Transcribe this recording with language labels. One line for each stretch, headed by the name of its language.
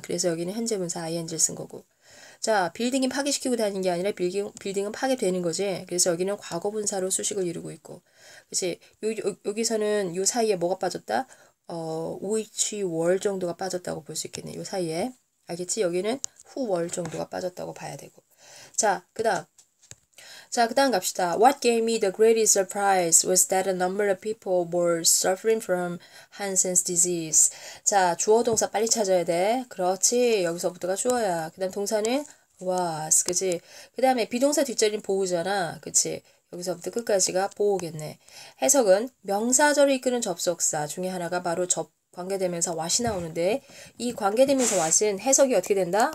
Korean: 그래서 여기는 현재 분사 ing를 쓴 거고, 자, 빌딩이 파괴시키고 다닌 게 아니라 빌딩은 파괴되는 거지. 그래서 여기는 과거 분사로 수식을 이루고 있고, 그치? 여기서는 요 사이에 뭐가 빠졌다?
English: which were
Korean: 정도가 빠졌다고 볼수 있겠네. 요 사이에. 알겠지? 여기는 후월 정도가 빠졌다고 봐야 되고. 자, 그다음. 자, 그다음 갑시다.
English: What gave me the greatest surprise was that a number of people were suffering from Hansen's disease.
Korean: 자, 주어 동사 빨리 찾아야 돼. 그렇지. 여기서부터가 주어야. 그다음 동사는 was, 그지? 그다음에 비동사 뒷자리는 보우잖아. 그치? 여기서부터 끝까지가 보우겠네. 해석은 명사절을 이끄는 접속사 중에 하나가 바로 접 관계대명사 what이 나오는데, 이 관계대명사 what은 해석이 어떻게 된다?